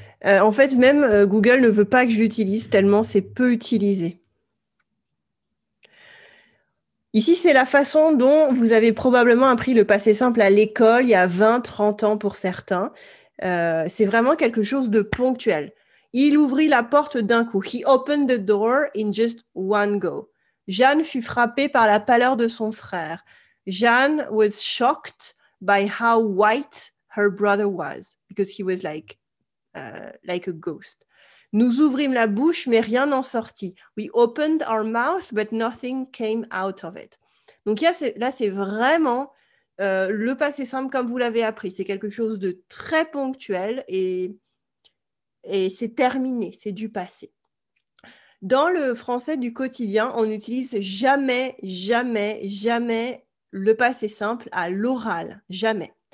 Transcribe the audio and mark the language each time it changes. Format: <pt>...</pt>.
<fr>En fait, même Google ne veut pas que j'utilise tellement c'est peu utilisé. Ici, c'est la façon dont vous avez probablement appris le passé simple à l'école il y a 20-30 ans pour certains. C'est vraiment quelque chose de ponctuel. Il ouvrit la porte d'un coup.</fr> <en>He opened the door in just one go.</en> <fr>Jeanne fut frappée par la pâleur de son frère.</fr> <en>Jeanne was shocked by how white her brother was because he was like a ghost.</en> <fr>Nous ouvrîmes la bouche, mais rien n'en sortit.</fr> <en>We opened our mouth, but nothing came out of it.</en> <fr>Donc là, c'est vraiment le passé simple comme vous l'avez appris. C'est quelque chose de très ponctuel et c'est terminé, c'est du passé. Dans le français du quotidien, on n'utilise jamais, jamais, jamais le passé simple à l'oral, jamais.</fr>